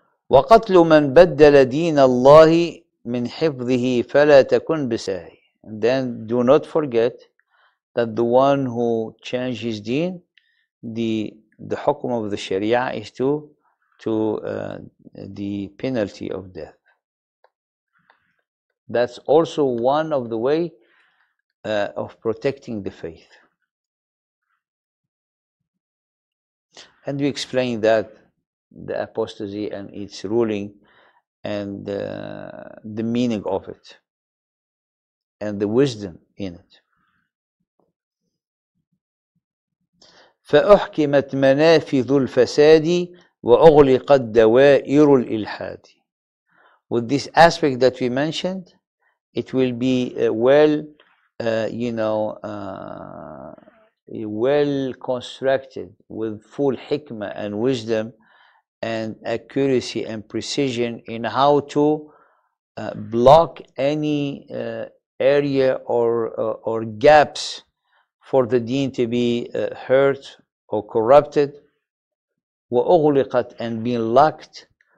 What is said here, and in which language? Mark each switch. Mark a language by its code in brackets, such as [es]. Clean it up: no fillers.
[ar] وقتل من بدل دين الله من حفظه فلا تكن بساهي. [en] And then do not forget that the one who changes his deen, the hukum of the Sharia is to the penalty of death. That's also one of the way of protecting the faith. And we explain that the apostasy and its ruling and the meaning of it and the wisdom in it. [ar] فأحكمت منافذ الفساد وأغلقت دوائر الإلحاد. [en] With this aspect that we mentioned, it will be well constructed with full hikmah and wisdom and accuracy and precision in how to block any area or gaps for the deen to be hurt or corrupted. وَأُغْلِقَتْ, and being locked,